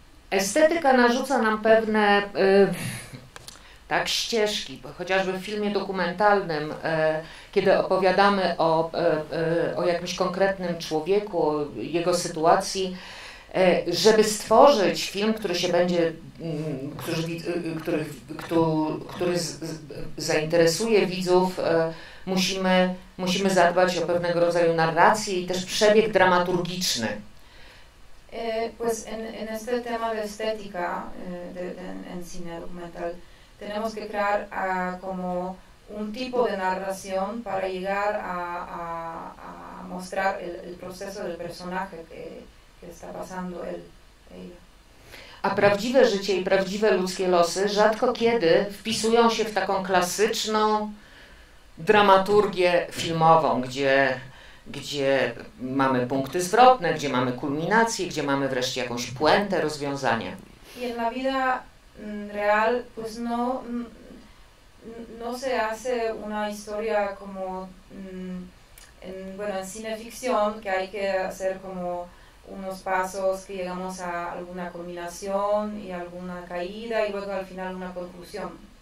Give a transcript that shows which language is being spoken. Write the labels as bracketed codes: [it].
[pl] Estetyka narzuca nam pewne ścieżki, chociażby w filmie dokumentalnym, kiedy opowiadamy o jakimś konkretnym człowieku, jego sytuacji, żeby stworzyć film, który zainteresuje widzów, musimy zadbać o pewnego rodzaju narrację i też przebieg dramaturgiczny. [es] Pues en este tema de estética en cine documental tenemos que crear como un tipo de narración para llegar a mostrar el proceso del personaje que está pasando él, ella. [pl] A prawdziwe życie i prawdziwe ludzkie losy rzadko kiedy wpisują się w taką klasyczną dramaturgię filmową, gdzie mamy punkty zwrotne, gdzie mamy kulminację, gdzie mamy wreszcie jakąś puentę, rozwiązanie. [es] I en la vida real, pues no, no se hace una historia como, en, bueno, en cine ficción, que hay que hacer como unos pasos que llegamos a alguna culminación y alguna caída y luego al final una conclusión.